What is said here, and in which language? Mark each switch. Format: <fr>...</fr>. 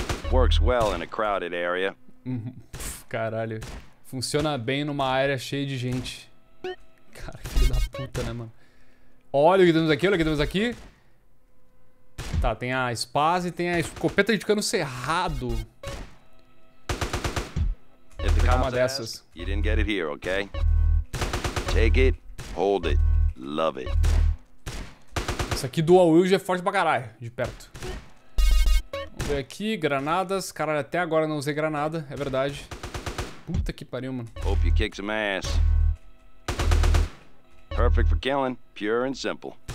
<en>Works well in a crowded area.</en> <pt>Caralho. Funciona bem numa área cheia de gente. Cara, filho da puta, né, mano? Olha o que temos aqui. Tá, tem a espaz e tem a escopeta de cano cerrado.</pt> <en>If the cops ask, you didn't get it here, okay? Take it, hold it, love it.</en> <pt>Isso aqui dual wield é forte pra caralho, de perto. Vamos ver aqui, granadas. Caralho, até agora não usei granada, é verdade. Puta que pariu, mano.</pt> <en>Hope you kick some ass. Perfect for killing, pure and simple.</en>